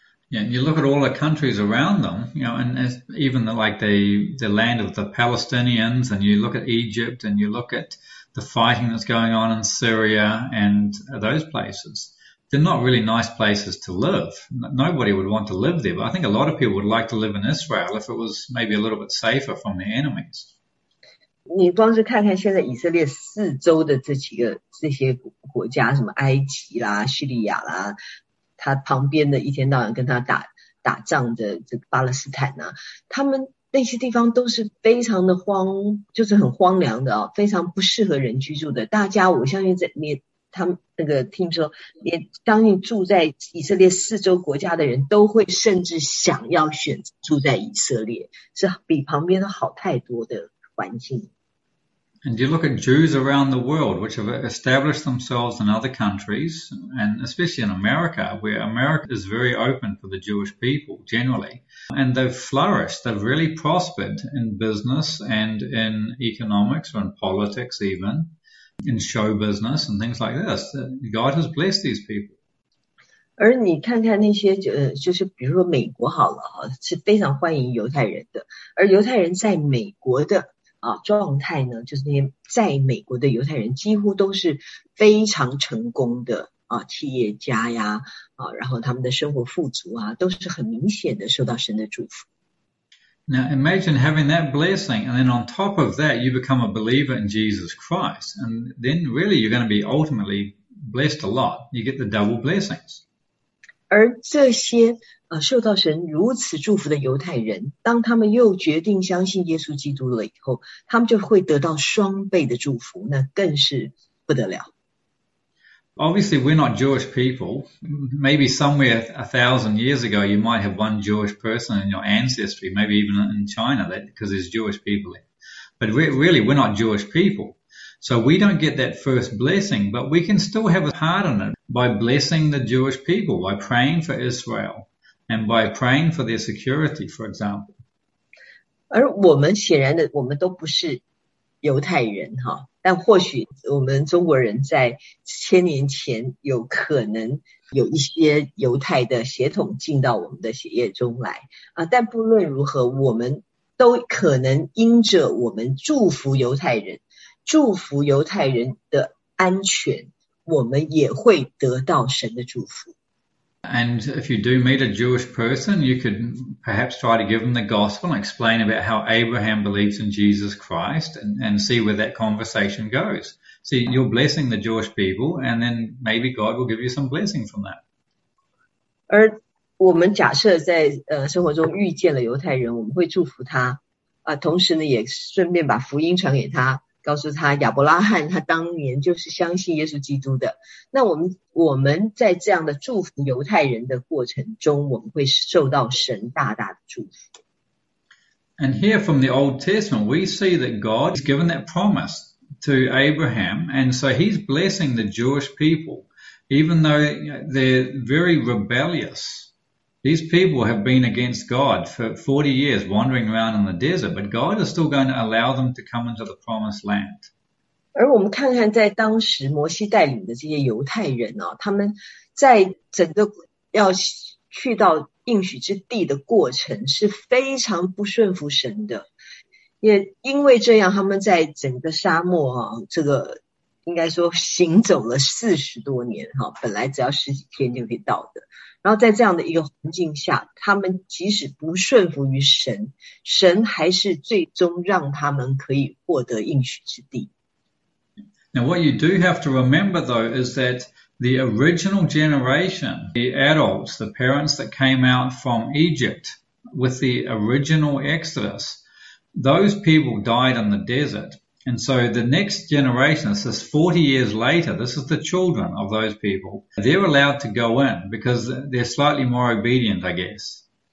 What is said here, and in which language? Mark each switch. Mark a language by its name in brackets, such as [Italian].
[English] Yeah, you look at all the countries around them, and as, even the land of the Palestinians, and you look at Egypt, and you look at the fighting that's going on in Syria and those places. They're not really nice places to live. Nobody would want to live there, but I think a lot of people would like to live in Israel if it was maybe a little bit safer from their enemies. [Chinese] 你光是看看现在以色列四周的这些国家，什么埃及啦、叙利亚啦，他旁边的一天到晚跟他打仗的这个巴勒斯坦呐、啊，他们那些地方都是非常的就是很荒凉的啊、哦，非常不适合人居住的。大家我相信在连他们那个听说，连相信住在以色列四周国家的人都会甚至想要选择住在以色列，是比旁边的好太多的环境。 [English] And you look at Jews around the world, which have established themselves in other countries, and especially in America, where America is very open for the Jewish people generally. And they've flourished, they've really prospered in business and in economics or in politics, even in show business and things like this. God has blessed these people. [Chinese] 而你看看那些，就是比如说美国好了哈，是非常欢迎犹太人的。而犹太人在美国的状态呢，就是那些在美国的犹太人几乎都是非常成功的企业家呀，然后他们的生活富足啊，都是很明显的受到神的祝福。 [English] Now imagine having that blessing, and then on top of that, you become a believer in Jesus Christ, and then really you're going to be ultimately blessed a lot. You get the double blessings. [Chinese] 而这些受到神如此祝福的犹太人，当他们又决定相信耶稣基督了以后，他们就会得到双倍的祝福，那更是不得了。 [English] Obviously, we're not Jewish people. Maybe somewhere 1,000 years ago, you might have one Jewish person in your ancestry, maybe even in China, because there's Jewish people there. But really, we're not Jewish people. So we don't get that first blessing, but we can still have a part in it by blessing the Jewish people, by praying for Israel, and by praying for their security, for example. [Chinese] 而我们显然的，我们都不是犹太人哈，但或许我们中国人在千年前有可能有一些犹太的血统进到我们的血液中来啊。但不论如何，我们都可能因着我们祝福犹太人，祝福犹太人的安全，我们也会得到神的祝福。 [English] And if you do meet a Jewish person, you could perhaps try to give them the gospel and explain about how Abraham believes in Jesus Christ and see where that conversation goes. See, you're blessing the Jewish people, and then maybe God will give you some blessing from that. [Chinese] 而我们假设在生活中遇见了犹太人，我们会祝福他同时呢也顺便把福音传给他，告诉他亚伯拉罕他当年就是相信耶稣基督的。那我们在这样的祝福犹太人的过程中，我们会受到神大大的祝福。 [English] And here from the Old Testament, we see that God has given that promise to Abraham, and so he's blessing the Jewish people, even though they're very rebellious. These people have been against God for 40 years, wandering around in the desert, but God is still going to allow them to come into the promised land. [Chinese] 而我们看看，在当时摩西带领的这些犹太人他们在整个要去到应许之地的过程是非常不顺服神的，也因为这样，他们在整个沙漠这个应该说行走了40多年本来只要十几天就可以到的。然后在这样的一个环境下，他们即使不顺服于神，神还是最终让他们可以获得应许之地。 [English] Now, what you do have to remember, though, is that the original generation, the adults, the parents that came out from Egypt with the original Exodus, those people died in the desert. And so the next generation, this is 40 years later, this is the children of those people. They're allowed to go in because they're slightly more obedient, I guess.